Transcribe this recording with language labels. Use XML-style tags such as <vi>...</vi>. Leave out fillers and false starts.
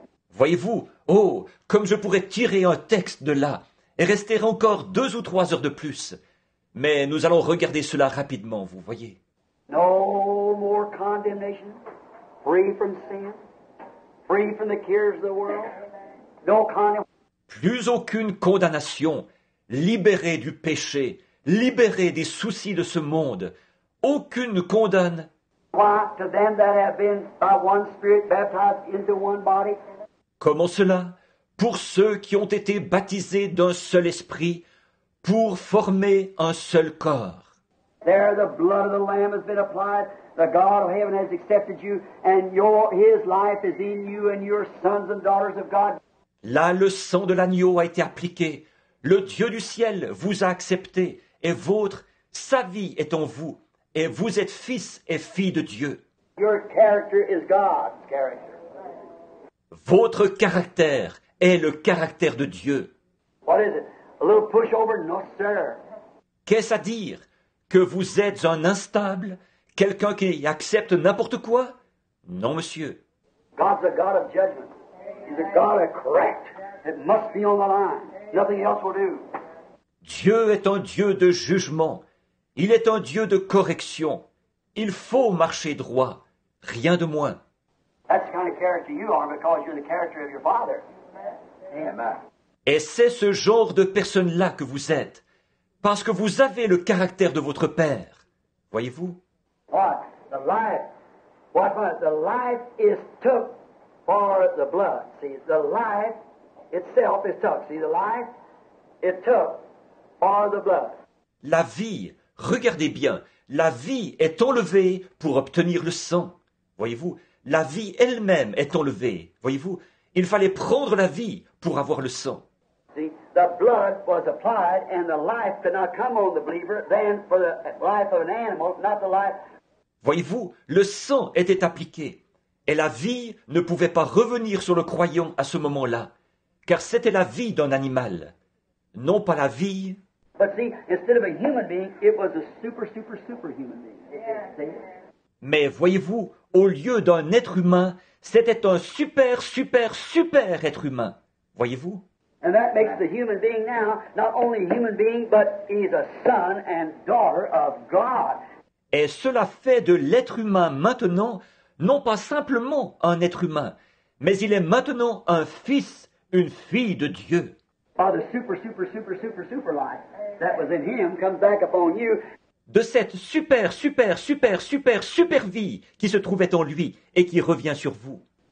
<fr>Voyez-vous, oh, comme je pourrais tirer un texte de là et rester encore 2 ou 3 heures de plus. Mais nous allons regarder cela rapidement, vous voyez.</fr> <en>No more condemnation, free from sin, free from the cares of the world. No condemnation.</en> <fr>Plus aucune condamnation, libéré du péché, libéré des soucis de ce monde. Aucune condamne.</fr> <en>Why, to them that have been by one spirit baptized into one body.</en> <fr>Comment cela? Pour ceux qui ont été baptisés d'un seul esprit, pour former un seul corps.</fr> <en>There the blood of the Lamb has been applied, the God of heaven has accepted you, and your his life is in you and your sons and daughters of God.</en> <fr>Là, le sang de l'agneau a été appliqué. Le Dieu du ciel vous a accepté, et votre, sa vie est en vous, et vous êtes fils et filles de Dieu.</fr> <en>Your character is God's character.</en> <fr>Votre caractère est le caractère de Dieu.</fr> <en>What is it? A little pushover? No, sir.</en> <fr>Qu'est-ce à dire? Que vous êtes un instable? Quelqu'un qui accepte n'importe quoi? Non, monsieur.</fr> <en>God's a God of judgment. He's a God of correct. It must be on the line. Nothing else will do.</en> <fr>Dieu est un Dieu de jugement. Il est un Dieu de correction. Il faut marcher droit. Rien de moins.</fr> <en>That's the kind of character you are because you're the character of your father. Amen.</en> <fr>Et c'est ce genre de personne-là que vous êtes, parce que vous avez le caractère de votre père. Voyez-vous?</fr> <en>What? The life. What was? The life is took for the blood. See, the life itself is took. See, the life it took for the blood.</en> <fr>La vie, regardez bien, la vie est enlevée pour obtenir le sang. Voyez-vous? La vie elle-même est enlevée. Voyez-vous, il fallait prendre la vie pour avoir le sang.</fr> <en>See, the blood was applied and the life could not come on the believer then for the life of an animal, not the life.</en> <fr>Voyez-vous, le sang était appliqué et la vie ne pouvait pas revenir sur le croyant à ce moment-là, car c'était la vie d'un animal, non pas la vie.</fr> <en>But see, instead of a human being, it was a super, super, super human being. Yeah.</en> <fr>Mais voyez-vous, au lieu d'un être humain, c'était un super, super, super être humain. Voyez-vous?</fr> <en>And that makes the human being now not only a human being, but he's a son and daughter of God.</en> <fr>Et cela fait de l'être humain maintenant, non pas simplement un être humain, mais il est maintenant un fils, une fille de Dieu.</fr> <en>By the super, super, super, super, super life that was in him comes back upon you.</en> <fr>De cette super, super, super, super, super vie qui se trouvait en lui et qui revient sur vous.</fr>